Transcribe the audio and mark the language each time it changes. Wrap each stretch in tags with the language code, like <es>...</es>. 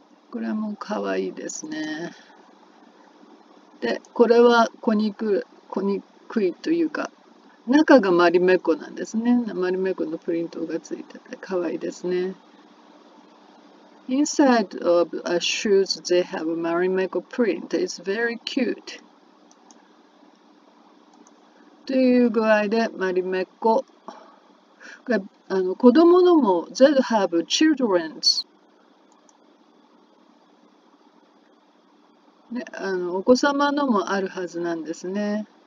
<ja>これもかわいいですね。で、これはコニクイというか、中がマリメッコなんですね。マリメッコのプリントがついてて、かわいいですね。</ja> <en>Inside of shoes, they have a Mari Meiko print. It's very cute.</en> <ja>という具合で、マリメッコ。子供のも、</ja> <en>they have children's。</en> <ja>ね、お子様のもあるはずなんですね。</ja>